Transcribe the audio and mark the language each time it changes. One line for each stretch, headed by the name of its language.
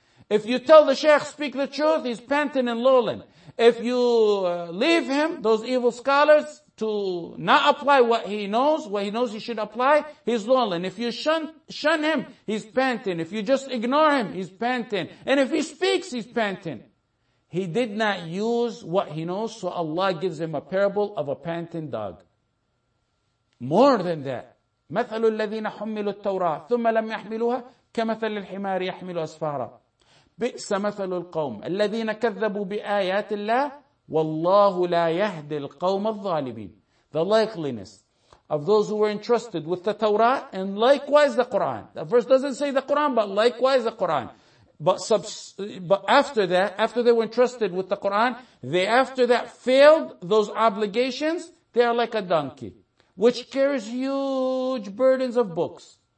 English: If you tell the sheikh, speak the truth, he's panting and lolling. If you leave him, those evil scholars, to not apply what he knows he should apply, he's lolling. If you shun him, he's panting. If you just ignore him, he's panting. And if he speaks, he's panting. He did not use what he knows, so Allah gives him a parable of a panting dog. More than that,
Arabic: مَثَلُ الَّذِينَ حُمِّلُوا التَّوْرَاةَ ثُمَّ لَمْ يَحْمِلُوهَا كَمَثَلِ الْحِمَارِ يَحْمِلُ أَسْفَارًا بِئْسَ مَثَلُ الْقَوْمِ الَّذِينَ كَذَّبُوا بِآيَاتِ اللَّهِ وَاللَّهُ لَا يَهْدِي الْقَوْمَ الظَّالِمِينَ.
English: The likeliness of those who were entrusted with the Torah and likewise the Quran. The verse doesn't say the Quran, but likewise the Quran. But after that, after they were entrusted with the Quran, they after that failed those obligations, they are like a donkey, which carries huge burdens of books.